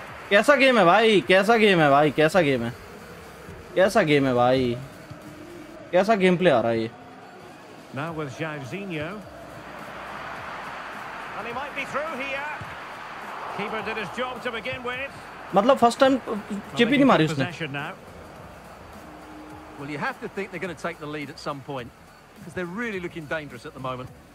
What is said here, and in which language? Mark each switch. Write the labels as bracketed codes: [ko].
[hi] कैसा गेम है भाई, कैसा गेम है भाई, कैसा गेम है, कैसा गेम है भाई, कैसा गेम प्ले आ रहा है ये. [en] Now with Jairzinho. And he might be through here. Keeper did his job to begin with. [hi] मतलब फर्स्ट टाइम चिप ही नहीं मारी उसने. [en] Well, you have to think they're going to take the lead at some point because they're really looking dangerous at the moment.